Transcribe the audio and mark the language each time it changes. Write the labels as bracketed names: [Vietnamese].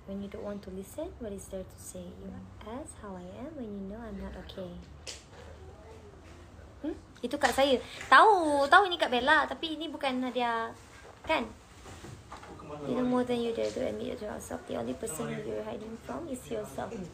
[English] When you don't want to listen, what is there to say? You ask how I am when you know I'm not okay. [Malay] Itu kat saya. Tahu ini kat Bella, tapi ini bukan Nadia. Kan? [English] You know more than you dare to admit to yourself. The only person you're hiding from is yourself.